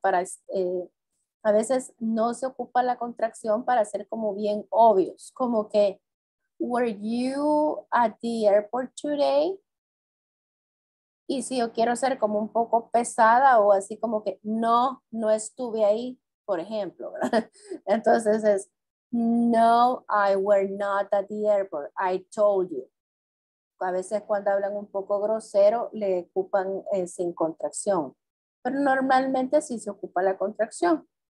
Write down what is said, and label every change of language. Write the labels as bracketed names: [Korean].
[Spanish] Para, a veces no se ocupa la contracción para ser como bien obvios, como que, [English] were you at the airport today? [Spanish] Y si yo quiero ser como un poco pesada o así como que no estuve ahí, por ejemplo, ¿verdad? Entonces es, no, [English] I were not at the airport, I told you. [Spanish] A veces cuando hablan un poco grosero le ocupan sin contracción, pero normalmente sí se ocupa la contracción.